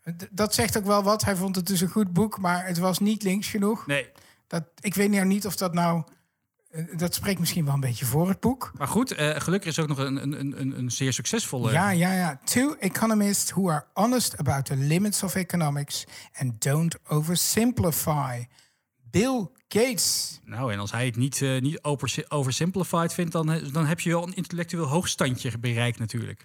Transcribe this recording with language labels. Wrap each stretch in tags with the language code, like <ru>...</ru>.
<nl>Dat zegt ook wel wat. Hij vond het dus een goed boek, maar het was niet links genoeg. Nee. Ik weet nou niet of dat nou. Dat spreekt misschien wel een beetje voor het boek. Maar goed, gelukkig is ook nog een zeer succesvolle. Ja.</nl> <en>Two economists who are honest about the limits of economics and don't oversimplify. Bill Gates.</en> <nl>Nou, en als hij het niet oversimplified vindt, dan heb je wel een intellectueel hoogstandje bereikt natuurlijk.</nl>